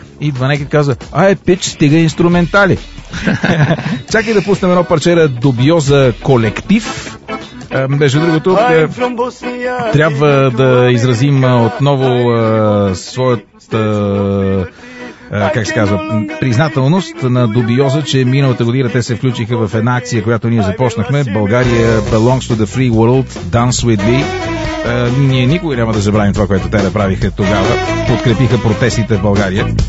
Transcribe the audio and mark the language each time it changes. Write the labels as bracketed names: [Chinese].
[Bulgarian] Идва нека и казва, ай, пич, стига инструментали. Чакай да пуснем едно парче на Дубиоза колектив. Между другото, трябва да изразим отново своята, как се казва, признателност на Дубиоза, че миналата година те се включиха в една акция, която ние започнахме. [English] България belongs to the free world, dance with me. [Bulgarian] Ние никога няма да забравим това, което те направиха тогава. Подкрепиха протестите в България.